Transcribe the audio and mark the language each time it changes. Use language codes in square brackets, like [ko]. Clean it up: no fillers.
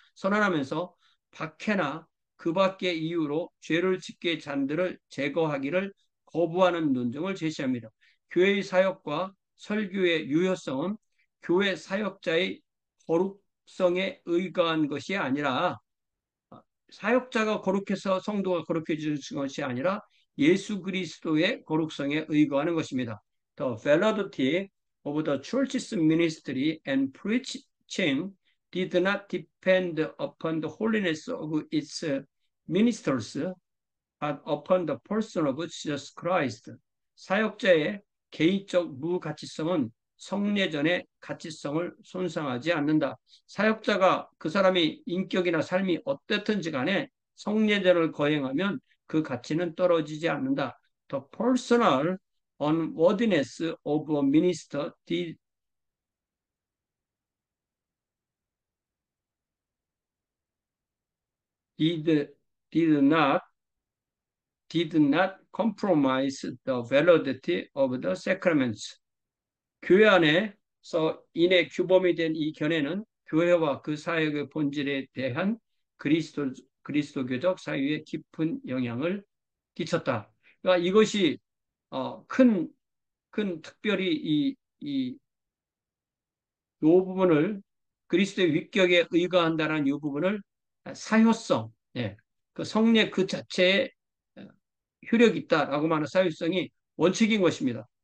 [ko] 선언하면서 박해나 그 밖의 이유로 죄를 짓게 잔들을 제거하기를 거부하는 논증을 제시합니다. 교회의 사역과 설교의 유효성은 교회 사역자의 거룩성에 의거한 것이 아니라, 사역자가 거룩해서 성도가 거룩해지는 것이 아니라 예수 그리스도의 거룩성에 의거하는 것입니다. [en] The validity of the church's ministry and preaching did not depend upon the holiness of its ministers, but upon the person of Jesus Christ. [ko] 사역자의 개인적 무가치성은 성례전의 가치성을 손상하지 않는다. 사역자가 그 사람이 인격이나 삶이 어땠든지 간에 성례전을 거행하면 그 가치는 떨어지지 않는다. [en] The personal unworthiness of a minister did not compromise the validity of the sacraments. [ko] 교회 안에서 인의 규범이 된이 견해는 교회와 그 사역의 본질에 대한 그리스도교적 사유에 깊은 영향을 끼쳤다. 그러니까 이것이 큰 특별히 이 부분을 그리스도의 위격에 의거한다는 이 부분을 사효성, 예, 그 성례 그 자체에 효력 있다라고 말하는 사유성이 원칙인 것입니다.